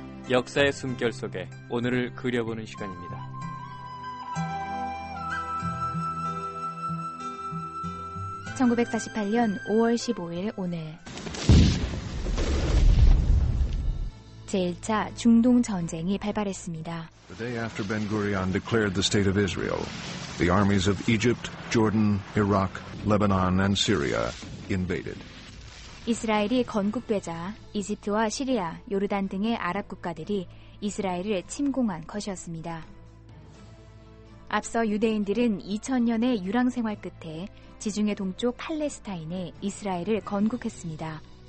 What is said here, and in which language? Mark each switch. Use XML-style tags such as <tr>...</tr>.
<ko>역사의 숨결 속에 오늘을 그려보는 시간입니다. 1948년 5월 15일 오늘 제1차 중동 전쟁이 발발했습니다.</ko> <en>The day after Ben-Gurion declared the state of Israel, the armies of Egypt, Jordan, Iraq, Lebanon, and Syria invaded.</en> <ko>이스라엘이 건국되자 이집트와 시리아, 요르단 등의 아랍 국가들이 이스라엘을 침공한 것이었습니다. 앞서 유대인들은 2000년의 유랑 생활 끝에 지중해 동쪽 팔레스타인에 이스라엘을 건국했습니다.</ko>